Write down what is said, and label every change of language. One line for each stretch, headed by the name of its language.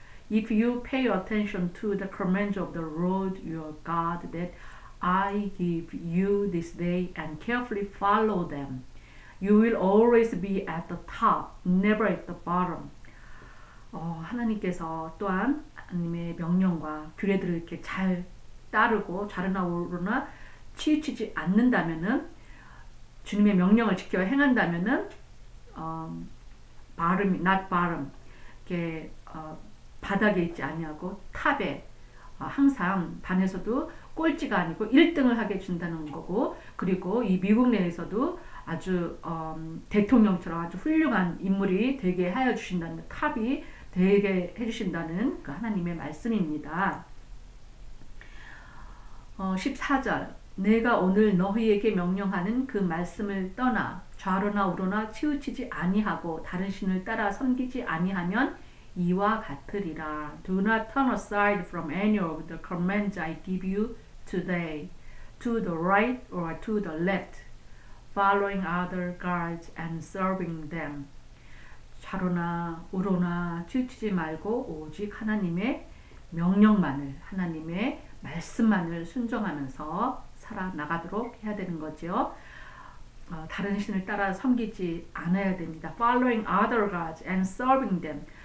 English: If you pay attention to the commands of the Lord your God that I give you this day and carefully follow them, you will always be at the top, never at the bottom.
Korean: 하나님께서 또한 하나님의 명령과 규례들을 이렇게 잘 따르고 좌르나우르나 치우치지 않는다면은 주님의 명령을 지켜 행한다면은 바름,
English: not bottom,
Korean: 이렇게 바닥에 있지 아니하고 탑에 항상 반에서도 꼴찌가 아니고 1등을 하게 준다는 거고 그리고 이 미국 내에서도 아주 대통령처럼 아주 훌륭한 인물이 되게 하여 주신다는 탑이 되게 해주신다는 그 하나님의 말씀입니다. 14절 내가 오늘 너희에게 명령하는 그 말씀을 떠나 좌로나 우로나 치우치지 아니하고 다른 신을 따라 섬기지 아니하면 이와 같으리라.
English: Do not turn aside from any of the commands I give you today, to the right or to the left, following other gods and serving them.
Korean: 좌로나 우로나 치우치지 말고 오직 하나님의 명령만을, 하나님의 말씀만을 순종하면서 살아나가도록 해야 되는 거죠. 다른 신을 따라 섬기지 않아야 됩니다.
English: Following other gods and serving them.